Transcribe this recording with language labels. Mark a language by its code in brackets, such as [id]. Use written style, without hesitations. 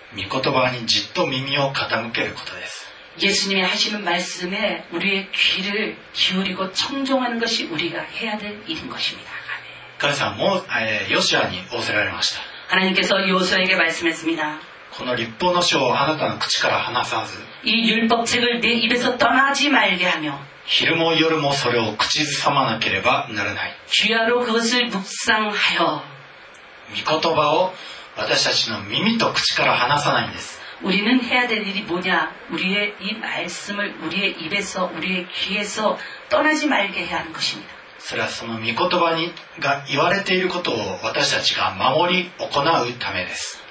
[ja] 御言葉にじっと耳を傾けることです。 [ko] 예수님이하시는말씀에우리의귀를기울이고청종하는것이우리가해야될일인것입니다。 [ja] 神様もヨシュアに仰せられました。 [ko] 하나님께서ヨシュア에게말씀했습니다。 [ja] この律法の書をあなたの口から離さず、 [ko] 이율법책을내입에서떠나지말게하며、 [ja] 昼も夜もそれを口ずさまなければならない。 [ko] 주야로그것을묵상하여、 [ja] 御言葉を私たちの耳と口から離さないんです。 [ko] 우리는해야될일이뭐냐、우리의이말씀을우리의입에서우리의귀에서떠나지말게해야하는것입니다。 [ja] それはその御言葉にが言われていることを私たちが守り行うためです。